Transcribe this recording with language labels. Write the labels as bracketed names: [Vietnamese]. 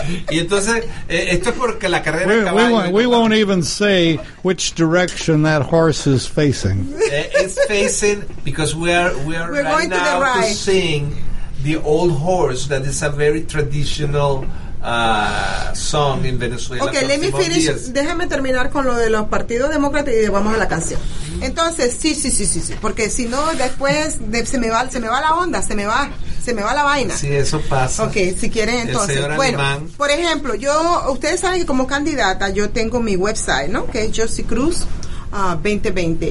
[Spanish] Y entonces, esto es porque la carrera de caballo. [English] We won't even say which direction that horse is facing. It's facing because we're going now to sing The Old Horse, that is a very traditional song in Venezuela. Okay, let me finish. [Spanish] Déjame terminar con lo de los partidos demócratas y vamos a la canción. Entonces, sí. Porque si no, después se me va la vaina. Sí, eso pasa. Okay, si quieren, entonces. Bueno, por ejemplo, ustedes saben que como candidata yo tengo mi website, ¿no? Que es Josie Cruz 2020.